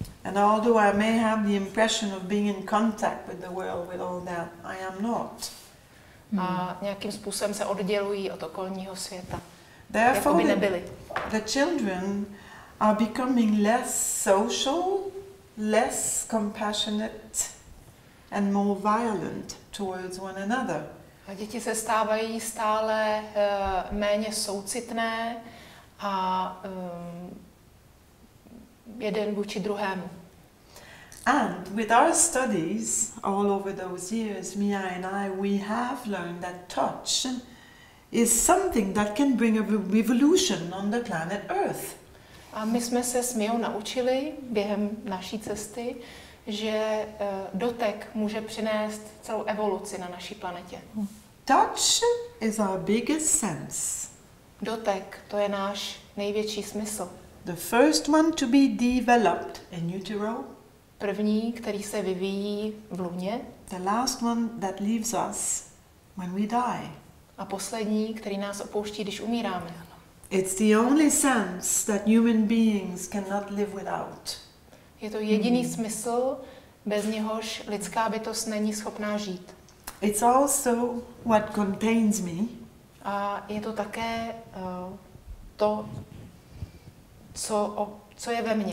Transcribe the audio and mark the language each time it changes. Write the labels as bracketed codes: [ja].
[en] And although I may have the impression of being in contact with the world with all that, I am not. [cs] a nějakým způsobem se oddělují od okolního světa. [en] Therefore, [cs] jako by nebyli. [en] The children are becoming less social, less compassionate and more violent towards one another. [cs] A děti se stávají stále méně soucitné a jeden vůči druhému. [en] And with our studies all over those years, Mia and I, we have learned that touch is something that can bring a revolution on the planet Earth. [cs] A my jsme se s Mijou naučili během naší cesty, že dotek může přinést celou evoluci na naší planetě. [en] Touch is our biggest sense. [cs] Dotek, to je náš největší smysl. [en] The first one to be developed in utero. [cs] První, který se vyvíjí v lůně. [en] The last one that leaves us when we die. [cs] A poslední, který nás opouští, když umíráme. [en] It's the only sense that human beings cannot live without. [cs] Je to jediný smysl, bez něhož lidská bytost není schopná žít. [en] It's also what contains me. [cs] A je to také to, co je ve mně.